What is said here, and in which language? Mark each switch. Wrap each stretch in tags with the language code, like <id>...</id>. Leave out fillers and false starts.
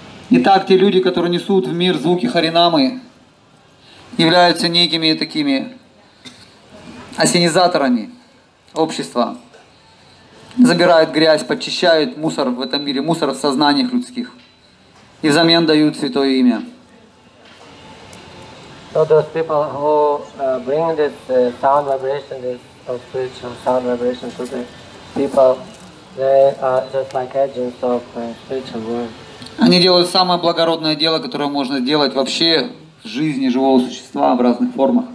<ru>Итак, те люди, которые несут в мир звуки Харинамы, являются некими такими ассенизаторами общества. Забирают грязь, подчищают мусор в этом мире, мусор в сознаниях людских. И взамен дают Святое Имя.</ru> <en>So those people who bring this sound vibration, this spiritual sound vibration to the people, they are just like agents of spiritual world.</en> <ru>Они делают самое благородное дело, которое можно делать вообще в жизни живого существа в разных формах.</ru>